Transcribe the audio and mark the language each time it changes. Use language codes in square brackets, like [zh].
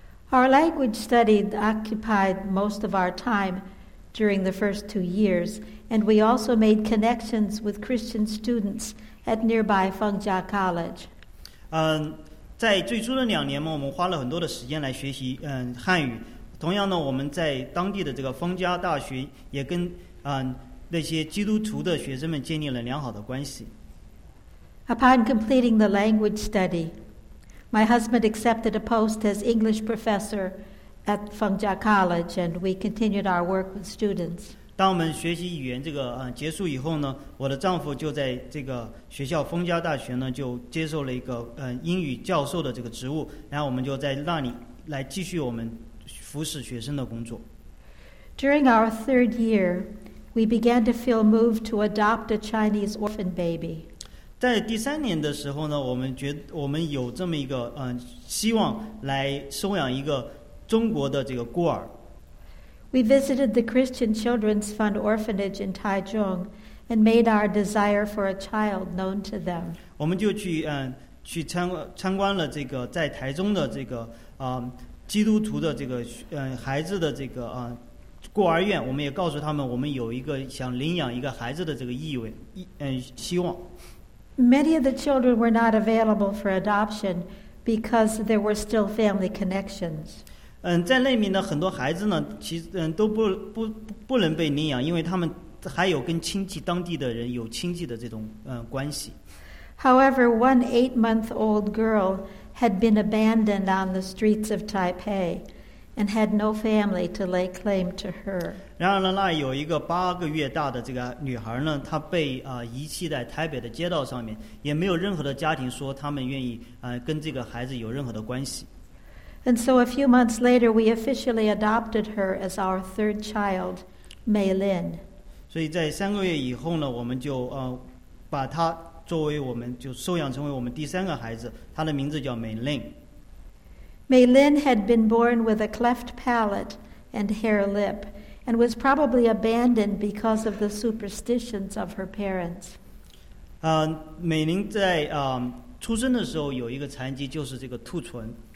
[en] Our language study occupied most of our time during the first 2 years, and we also made connections with Christian students at nearby Feng Jia College. [zh] 在最初的两年嘛，我们花了很多的时间来学习汉语。同样呢，我们在当地的这个丰家大学也跟那些基督徒的学生们建立了良好的关系。 [en] Upon completing the language study, my husband accepted a post as English professor at Feng Jia College, and we continued our work with students. [zh] 当我们学习语言这个结束以后呢，我的丈夫就在这个学校丰家大学呢就接受了一个英语教授的这个职务，然后我们就在那里来继续我们服侍学生的工作。 [en] During our third year, we began to feel moved to adopt a Chinese orphan baby. [zh] 在第三年的时候呢，我们有这么一个希望来收养一个中国的这个孤儿。 [en] We visited the Christian Children's Fund orphanage in Taichung and made our desire for a child known to them. [zh] 我们就去参观了这个在台中的这个基督徒的这个孩子的这个孤儿院，我们也告诉他们我们有一个想领养一个孩子的这个希望。 [en] Many of the children were not available for adoption because there were still family connections. [zh] 在那边的很多孩子呢，其实都不能被领养，因为他们还有跟亲戚当地的人有亲戚的这种关系。 [en] However, one 8-month-old girl had been abandoned on the streets of Taipei and had no family to lay claim to her. [zh] 然而呢，那有一个8个月大的这个女孩呢，她被遗弃在台北的街道上面，也没有任何的家庭说他们愿意跟这个孩子有任何的关系。 [en] And so a few months later, we officially adopted her as our third child, Mei Lin. [zh] 所以在3个月以后呢，我们就把她作为我们就收养成为我们第三个孩子，她的名字叫 Mei Lin。 [en] Mei Lin had been born with a cleft palate and hair lip, and was probably abandoned because of the superstitions of her parents. [zh] 美玲在出生的时候有一个残疾，就是这个兔唇。